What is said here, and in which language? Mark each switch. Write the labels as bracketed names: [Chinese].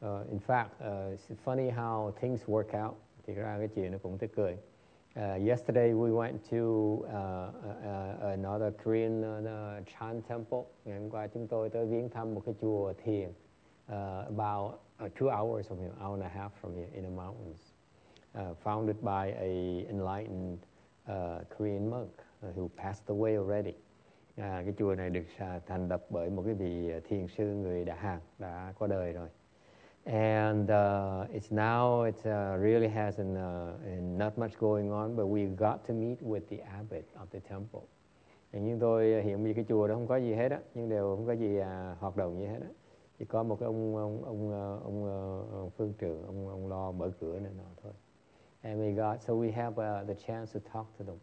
[English] In fact, it's funny how things work out. [Vietnamese] Thì ra cái chuyện nó cũng tức cười. [English] Yesterday we went to another Korean Chan temple. [Vietnamese] Ngày hôm qua chúng tôi tới viếng thăm một cái chùa thiền [English] about 2 hours from here, hour and a half from here in the mountains, founded by a enlightened Korean monk who passed away already. [Vietnamese] Cái chùa này được thành lập bởi một cái vị thiền sư người Đà Hàn đã qua đời rồi. [English] And it's really hasn't not much going on, but we got to meet with the abbot of the temple. [Vietnamese] Nhưng tôi hiện bây giờ cái chùa đó không có gì hết á, nhưng đều không có gì hoạt động gì hết á. Chỉ có một cái ông phương trưởng ông lo mở cửa nên nọ thôi. [English] And we got, so we have the chance to talk to them.